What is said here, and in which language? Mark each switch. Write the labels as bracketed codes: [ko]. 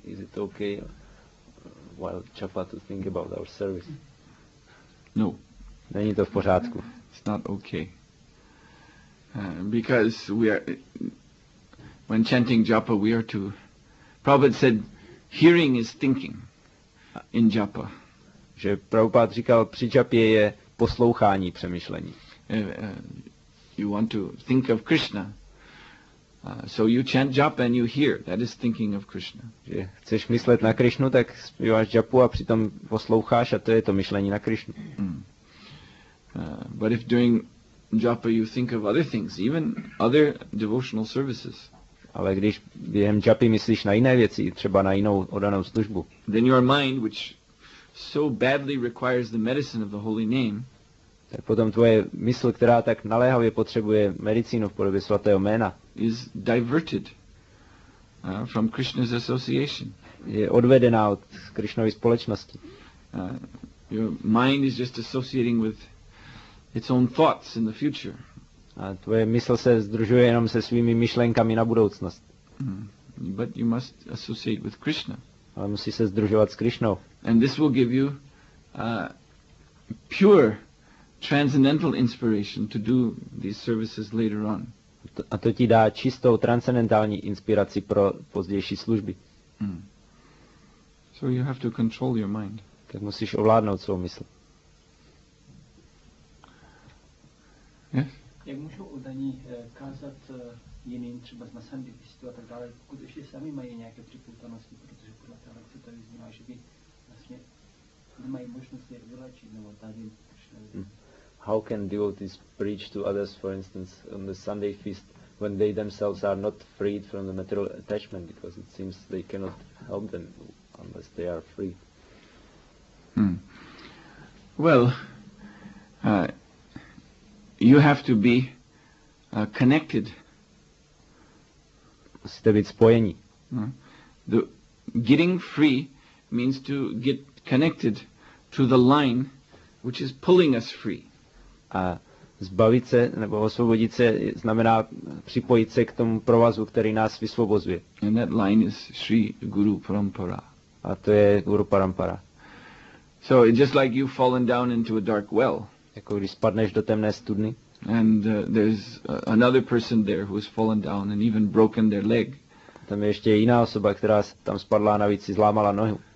[en] Is it okay while japa to think about our service? No. [cs] Není to v pořádku. [en] It's not okay. Because we are, when chanting japa, we are to, Prabhupada said, hearing is thinking in japa. [cs] Že Prabhupád říkal, při japě je poslouchání, přemýšlení. [en] You want to think of Krishna, so you chant japa and you hear. That is thinking of Krishna. [cs] Že chceš myslet na Krishnu, tak zpíváš japu a přitom posloucháš a to je to myšlení na Krishnu. [en] But if during japa you think of other things, even other devotional services, [cs] ale když během japy myslíš na jiné věci, třeba na jinou oddanou službu, [en] then your mind, which so badly requires the medicine of the holy name, [cs] tak potom tvoje mysl, která tak naléhavě potřebuje medicínu v podobě svatého jména, [en] is diverted from Krishna's association. [cs] Je odvedená od Krishnovy společnosti. [en] Your mind is just associating with its own thoughts in the future. [cs] A tvoje mysl se združuje jenom se svými myšlenkami na budoucnost. [en] But you must associate with Krishna. [cs] Ale musí se združovat s Krishnou. [en] And this will give you pure transcendental inspiration to do these services later on. [cs] A to ti dá čistou transcendentální inspiraci pro pozdější služby. [en] So you have to control your mind. [cs] Tak musíš ovládnout svou mysl. [en] Yes? [cs] Jak můžou oddaní kázat jiným, třeba na sandipistu a tak dále, pokud ještě sami mají nějaké připoutanosti, protože podle té lekce tady vznímá, že by vlastně nemají možnost je vylečit nebo tady Krishna. [en] How can devotees preach to others, for instance, on the Sunday feast, when they themselves are not freed from the material attachment, because it seems they cannot help them unless they are free? Well, you have to be connected. [cs] Musíte být spojení. [en] The getting free means to get connected to the line which is pulling us free. [cs] A zbavit se nebo osvobodit se znamená připojit se k tomu provazu, který nás vysvobozuje. [en] And that line is Sri Guru Parampara. [cs] A to je Guru Parampara. [en] So it's just like you've fallen down into a dark well. [cs] Jako když spadneš do temné studny. [en] And there's another person there who has fallen down and even broken their leg. [cs] Tam je ještě jiná osoba, která tam spadla a navíc si zlámala nohu.